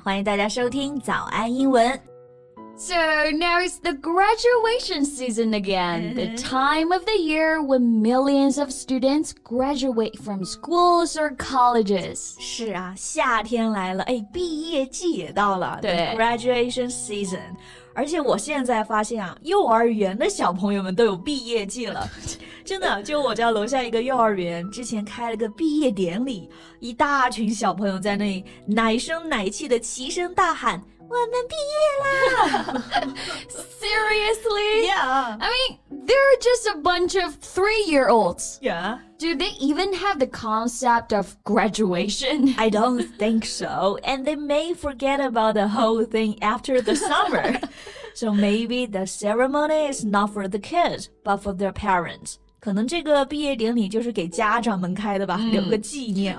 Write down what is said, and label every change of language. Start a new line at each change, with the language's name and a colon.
Chinese: 欢迎大家收听早安英文。
English: So now it's the graduation season again, the time of the year when millions of students graduate from schools or colleges.
Chinese: 是啊，夏天来了，哎，毕业季也到了
English: the graduation season.
Chinese: 而且我现在发现啊，幼儿园的小朋友们都有毕业季了。真的，就我家楼下一个幼儿园，之前开了个毕业典礼，一大群小朋友在那里奶声奶气的齐声大喊我们毕业啦
English: Seriously? Yeah. I mean, they're just a bunch of three-year-olds. Yeah. Do they even have the concept of graduation? I don't think so. And they may forget about the whole thing after the summer. So maybe the ceremony is not for the kids, but for their parents.
Chinese: 可能这个毕业典礼就是给家长们开的吧、留个纪念、